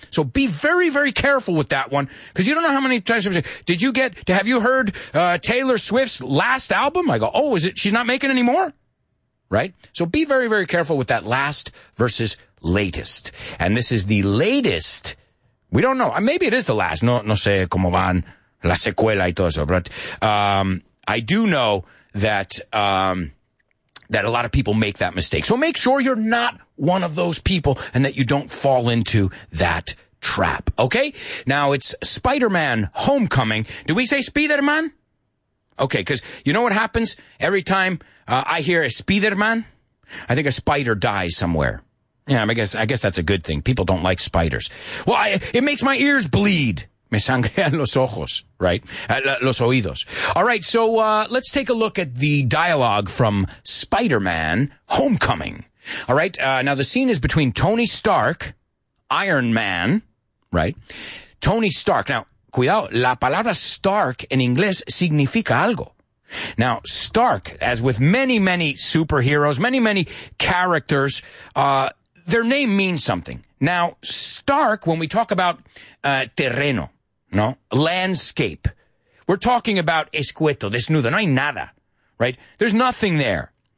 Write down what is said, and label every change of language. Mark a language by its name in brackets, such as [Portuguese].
[English] So be very, very careful with that one, because you don't know how many times I've said, did you get, to have you heard Taylor Swift's last album? I go, oh, is it, she's not making any more? Right? So be very, very careful with that last versus latest. And this is the latest. We don't know. Maybe it is the last. [Spanish] No sé cómo van la secuela y todo eso. [English] But I do know that that a lot of people make that mistake. So make sure you're not one of those people and that you don't fall into that trap. Okay? Now, it's Spider-Man Homecoming. Do we say Spider-Man? Okay, because you know what happens every time I hear a Spider-Man? I think a spider dies somewhere. Yeah, I guess that's a good thing. People don't like spiders. Well, it makes my ears bleed. [Spanish] Me sangrean los ojos, [English] right? [Spanish] Los oídos. [English] All right, so let's take a look at the dialogue from Spider-Man Homecoming. All right, now the scene is between Tony Stark, Iron Man, right? Tony Stark. [Spanish] Now, cuidado, la palabra Stark en inglés significa algo. [English] Now, Stark, as with many, many superheroes, many, many characters, their name means something. Now, Stark, when we talk about terreno, no, landscape, we're talking about [Spanish] escueto, desnudo, no hay nada, [English] right? There's nothing there.